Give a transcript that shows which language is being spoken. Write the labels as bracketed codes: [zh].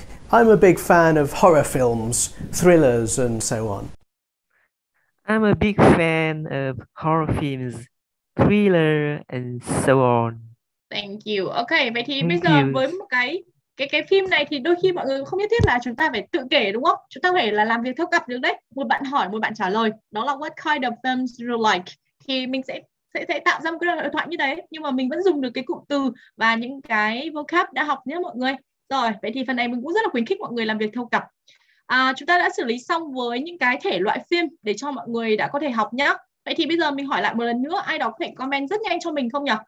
[en] I'm a big fan of horror films, thrillers, and so on. I'm a big fan of horror films, thriller, and so on. Thank you. [vi] Okay, vậy thì bây giờ với một cái phim này thì đôi khi mọi người không nhất thiết là chúng ta phải tự kể đúng không? Chúng ta phải là làm việc theo cặp được đấy. Một bạn hỏi, một bạn trả lời. Đó là [en] what kind of films do you like? [vi] Thì mình sẽ tạo ra một cái đối thoại như đấy, nhưng mà mình vẫn dùng được cái cụm từ và những cái vocab đã học nhé mọi người. Rồi, vậy thì phần này mình cũng rất là khuyến khích mọi người làm việc theo cặp. Chúng ta đã xử lý xong với những cái thể loại phim để cho mọi người đã có thể học nhá. Vậy thì bây giờ mình hỏi lại một lần nữa, ai đó có thể comment rất nhanh cho mình không nhỉ?